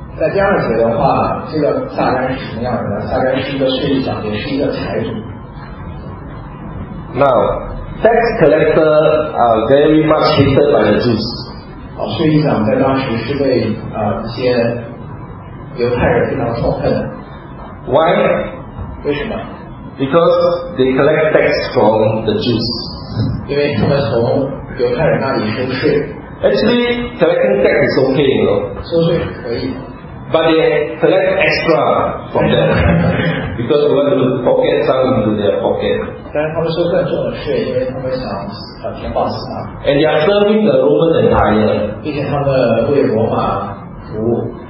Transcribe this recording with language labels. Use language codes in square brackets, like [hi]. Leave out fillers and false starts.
[zh] 在第二节的话，这个撒该是什么样的呢？撒该是一个税吏长，也是一个财主。 [en] Now, tax collector are very much hated by the Jews. [zh] 哦，税吏长在当时是被一些犹太人非常痛恨的。 [en] Why? [zh] 为什么？ [en] Because they collect tax from the Jews. [zh] 因为他们从犹太人那里收税。 [en] Actually, collecting tax is okay, you know. [zh] 收税是可以。 [en] But they collect extra from them because they want to pocket some into their pocket. And they are serving the Roman Empire.